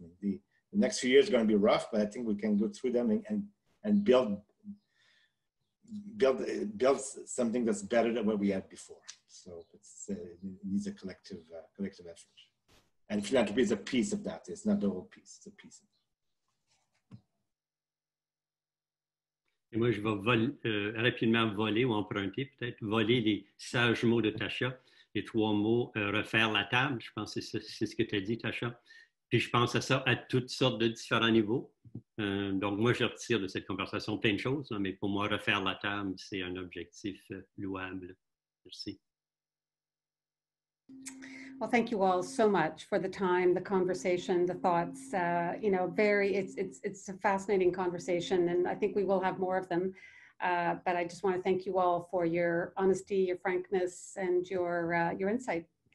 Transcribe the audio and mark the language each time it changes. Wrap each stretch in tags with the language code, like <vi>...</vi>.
<en>I mean, the next few years are going to be rough, but I think we can go through them and build something that's better than what we had before. So it needs a collective effort. And philanthropy is a piece of that. It's not the whole piece, it's a piece of that.</en> <fr>Et moi, je vais rapidement voler ou emprunter, peut-être, voler les sages mots de Tasha, les trois mots, refaire la table, je pense que c'est ce que tu as dit, Tasha. Puis je pense à ça à toutes sortes de différents niveaux. Donc moi, je retire de cette conversation plein de choses, hein, mais pour moi, refaire la table, c'est un objectif louable. Merci.</fr> <en>Well, thank you all so much for the time, the conversation, the thoughts. It's a fascinating conversation, and I think we will have more of them. But I just want to thank you all for your honesty, your frankness, and your insight.</en>